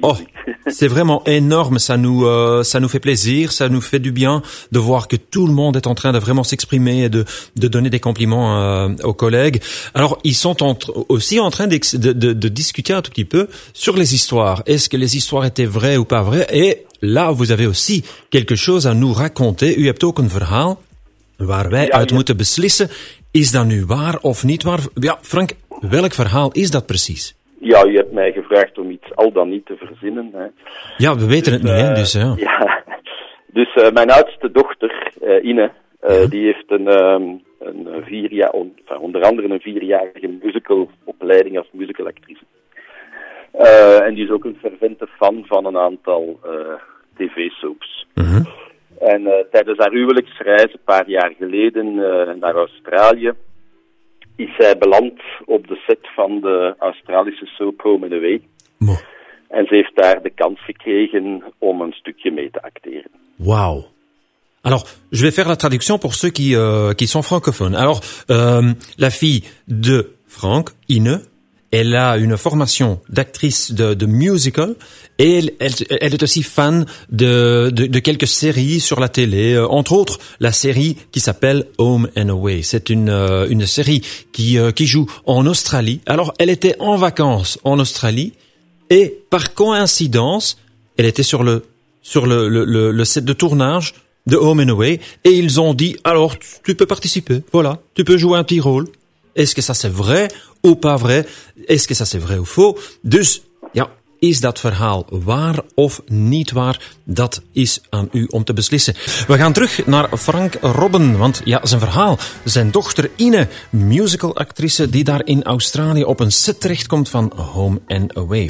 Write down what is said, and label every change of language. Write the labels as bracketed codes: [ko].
[fr] Oh, c'est vraiment énorme, ça nous fait plaisir, ça nous fait du bien de voir que tout le monde est en train de vraiment s'exprimer et de donner des compliments aux collègues. Alors, ils sont aussi en train de discuter un tout petit peu sur les histoires. Est-ce que les histoires étaient vraies ou pas vraies? Et là, vous avez aussi quelque chose à nous raconter. [nl] U hebt ook een verhaal waar wij uit moeten beslissen. Is dat nu waar of niet waar? Ja, Frank, welk verhaal is dat precies? Ja, u hebt mij gevraagd om iets al dan niet te verzinnen. Hè. Ja, we weten het niet, dus ja. Ja. Dus mijn oudste dochter, Ine, die heeft een vierjarige musicalopleiding als musicalactrice. En die is ook een fervente fan van een aantal tv-soaps. En tijdens haar huwelijksreis, een paar jaar geleden, naar Australië, is zij beland op de set van de Australische soap Home and Away. Mo. En ze heeft daar de kans gekregen om een stukje mee te acteren. Wauw. [fr] Alors, je vais faire la traduction pour ceux qui sont francophones. Alors, la fille de Franck, Ine, elle a une formation d'actrice de musical et elle est aussi fan de quelques séries sur la télé, entre autres la série qui s'appelle Home and Away. C'est une série qui joue en Australie. Alors, elle était en vacances en Australie et par coïncidence, elle était sur le set de tournage de Home and Away et ils ont dit, alors, tu peux participer, voilà, tu peux jouer un petit rôle. Est-ce que ça c'est vrai ou pas vrai? Est-ce que ça c'est vrai ou faux? [nl] Dus, ja, is dat verhaal waar of niet waar? Dat is aan u om te beslissen. We gaan terug naar Frank Robben, want ja, zijn verhaal. Zijn dochter Ine, musicalactrice die daar in Australië op een set terechtkomt van Home and Away.